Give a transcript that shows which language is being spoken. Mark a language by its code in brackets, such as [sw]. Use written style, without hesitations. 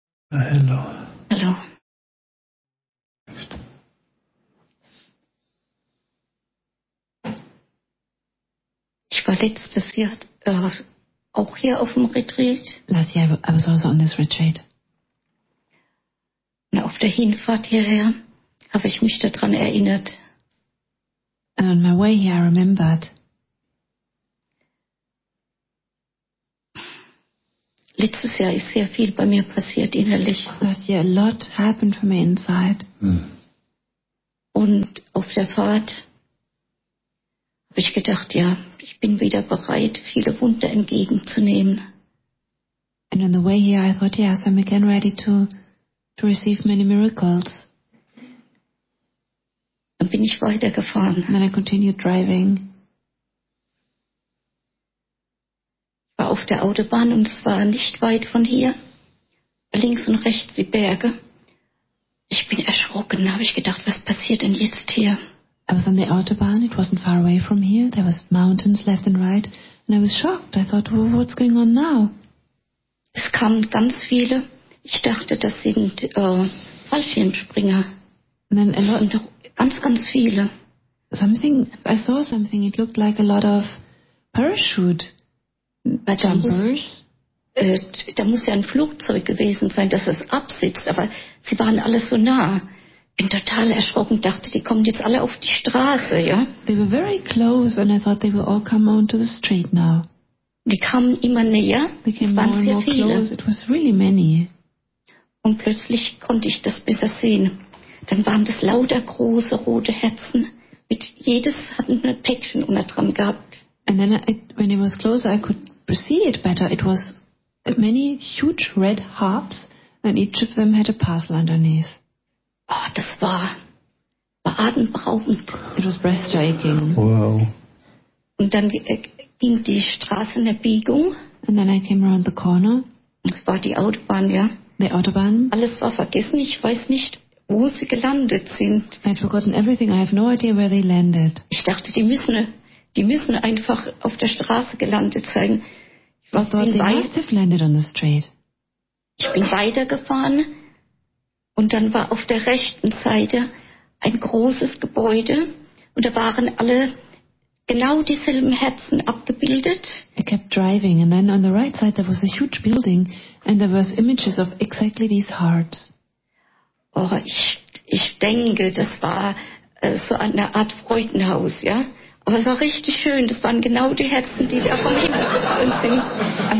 [de] Hallo. Hallo. Ich war letztes Jahr auch hier auf dem Retreat. [en] Last year I was also on this retreat. [de] Und auf der Hinfahrt hierher habe ich mich daran erinnert. [en] And on my way here I remembered. [de] Letztes Jahr ist sehr viel bei mir passiert innerlich. [en] Last year a lot happened for me inside. [de] Und auf der Fahrt habe ich gedacht, ja, ich bin wieder bereit, viele Wunder entgegenzunehmen. [en] And on the way here I thought, yes, I'm again ready to receive many miracles. [de] Dann bin ich weitergefahren. [en] And then I continued driving. [de] Ich war auf der Autobahn und es war nicht weit von hier, links und rechts die Berge. Ich bin erschrocken, habe ich gedacht, was passiert denn jetzt hier? [en] I was on the Autobahn, it wasn't far away from here, there was mountains left and right, and I was shocked, I thought, well, what's going on now? [de] Es kamen ganz viele, ich dachte, das sind Fallschirmspringer. [en] And then a lot, [de] und ganz, ganz viele. [en] Something, I saw something, it looked like a lot of parachute. [de] Da muss ja ein Flugzeug gewesen sein, dass es absitzt, aber sie waren alle so nah. Bin total erschrocken, dachte, die kommen jetzt alle auf die Straße, ja? [en] They were very close and I thought they will all come onto the street now. [de] Die kamen immer näher. [en] They came [de] es waren [en] more and more [de] viele. [en] Close. It was really many. [de] Und plötzlich konnte ich das besser sehen. Dann waren das lauter große rote Herzen. Mit jedes hat ein Päckchen unter dran gehabt. [en] And then when it was closer, I could see it better. It was many huge red hearts, and each of them had a parcel underneath. [de] Oh, das war atemberaubend. [en] It was breathtaking. Wow. [de] Und dann ging die Straße in der Biegung. [en] And then I came around the corner. [de] Es war die Autobahn, ja. [en] The Autobahn. [de] Alles war vergessen. Ich weiß nicht, wo sie gelandet sind. [en] I'd forgotten everything. I have no idea where they landed. [de] Ich dachte, die müssen einfach auf der Straße gelandet sein. Ich war [en] landed on the street. [de] Ich bin weitergefahren und dann war auf der rechten Seite ein großes Gebäude und da waren alle genau dieselben Herzen abgebildet. [en] I kept driving and then on the right side there was a huge building and there were images of exactly these hearts. [de] Oh, ich denke, das war so eine Art Freudenhaus, ja? Aber es war richtig schön. Das waren genau die Herzen, die da vom Himmel sind.